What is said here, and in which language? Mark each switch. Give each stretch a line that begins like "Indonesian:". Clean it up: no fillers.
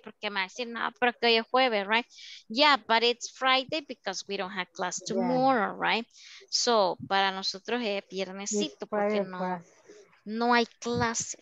Spanish: Porque me dicen, no, pero que hoy es jueves, right?
English: Yeah, but it's Friday because we don't have class tomorrow, yeah. Right?
Spanish: So, para nosotros es viernesito porque no, no hay clase.